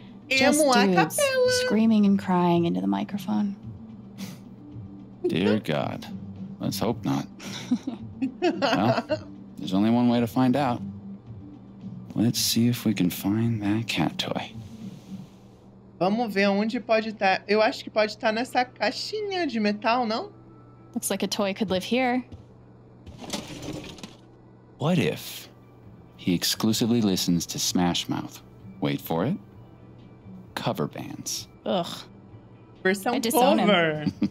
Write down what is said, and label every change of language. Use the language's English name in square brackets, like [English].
[English] Emo a capella. Screaming and crying into the microphone. Dear God, let's hope not. Well, there's only one way to find out. Let's see if we can find that cat toy. [Portuguese] Vamos ver onde pode estar. Eu acho que pode estar nessa caixinha de metal, não? [English] Looks like a toy could live here. What if he exclusively listens to Smash Mouth? Wait for it. Cover bands. Ugh. For some cover.